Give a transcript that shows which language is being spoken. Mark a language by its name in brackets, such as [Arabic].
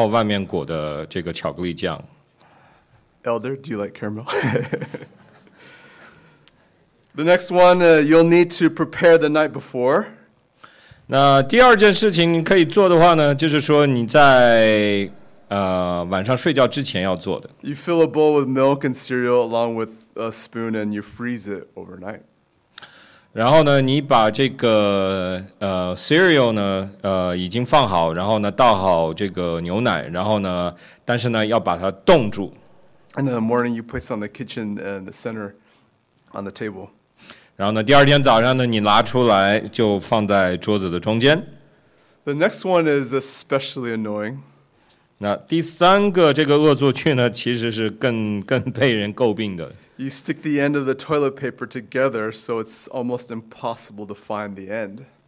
[Chinese] 大家知道这个不是巧克力果，它里面呢其实是这个洋葱，生洋葱，对，然后外面裹的这个巧克力酱。 [English] Elder, do you like caramel? The next one, you'll need to prepare the night before. [Chinese] 那第二件事情你可以做的话呢，就是说你在晚上睡觉之前要做的。 [English] You fill a bowl with milk and cereal along with a spoon and you freeze it overnight. [Chinese] 然后呢，你把这个cereal呢，已经放好，然后呢，倒好这个牛奶，然后呢，但是呢，要把它冻住。 [English] And in the morning, you place on the kitchen and the center on the table. [Chinese] 然后呢，第二天早上呢，你拿出来就放在桌子的中间。 [English] The next one is especially annoying. [Chinese] 那第三个这个恶作剧呢，其实是更被人诟病的。 [English] You stick the end of the toilet paper together, so it's almost impossible to find the end.